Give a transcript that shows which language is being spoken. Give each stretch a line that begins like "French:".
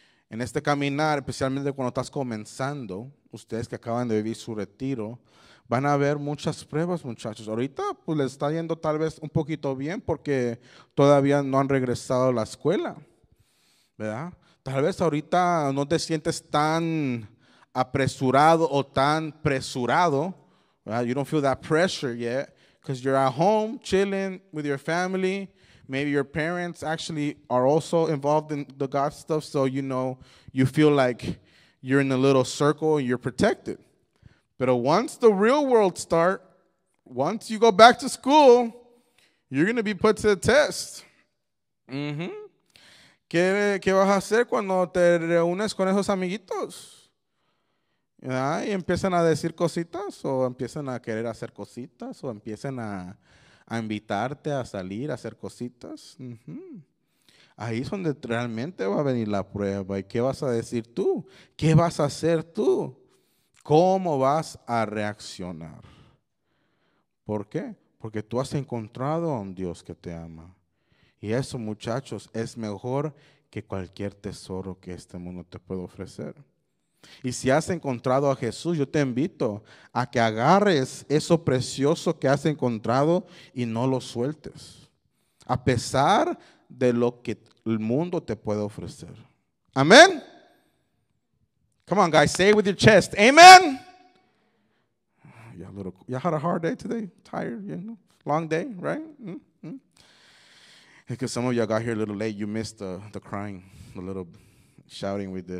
Spanish: En este caminar, especialmente cuando estás comenzando, ustedes que acaban de vivir su retiro, van a ver muchas pruebas, muchachos. Ahorita, pues, les está yendo tal vez un poquito bien porque todavía no han regresado a la escuela, ¿verdad? Tal vez ahorita no te sientes tan apresurado o tan presurado, ¿verdad?
English: You don't feel that pressure yet because you're at home chilling with your family. Maybe your parents actually are also involved in the God stuff, so you know, you feel like you're in a little circle and you're protected. But once the real world start, once you go back to school, you're going to be put to the test. Mm-hmm.
Spanish: ¿Qué vas a hacer cuando te reúnes con esos amiguitos? ¿Verdad? Y empiezan a decir cositas, o empiezan a querer hacer cositas, o empiezan a invitarte a salir, a hacer cositas. Mm-hmm. Ahí es donde realmente va a venir la prueba. ¿Y qué vas a decir tú? ¿Qué vas a hacer tú? ¿Cómo vas a reaccionar? ¿Por qué? Porque tú has encontrado a un Dios que te ama. Y eso, muchachos, es mejor que cualquier tesoro que este mundo te pueda ofrecer. Y si has encontrado a Jesús, yo te invito a que agarres eso precioso que has encontrado y no lo sueltes. A pesar de lo que el mundo te puede ofrecer. ¿Amén?
English: Come on, guys, say it with your chest. ¿Amén? You had a hard day today? Tired, you know? Long day, right? Because some of you got here a little late. You missed the crying, a little shouting with the...